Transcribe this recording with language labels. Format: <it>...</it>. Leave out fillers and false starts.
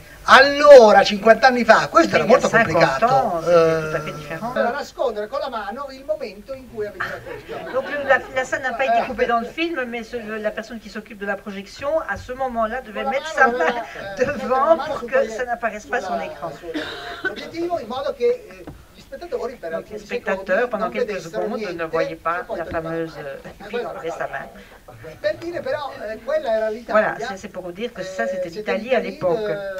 <it>Allora, 50 anni fa, questo era molto complicato. Per nascondere con la mano il momento in cui avete la questione.</it> <fr>Donc la scène n'a pas été coupée dans le film, mais la personne qui s'occupe de la projection, à ce moment-là, devait mettre sa main devant pour que ça n'apparaisse pas sur l'écran.</fr> <it>L'obiettivo, in modo che gli spettatori, per</it> <fr>donc les spectateurs, pendant quelques secondes, ne voyaient pas la fameuse pile de sa main.</fr> <it>Per dire però, quella era l'Italia.</it> <fr>Voilà, c'est pour vous dire que ça, c'était l'Italie à l'époque.</fr>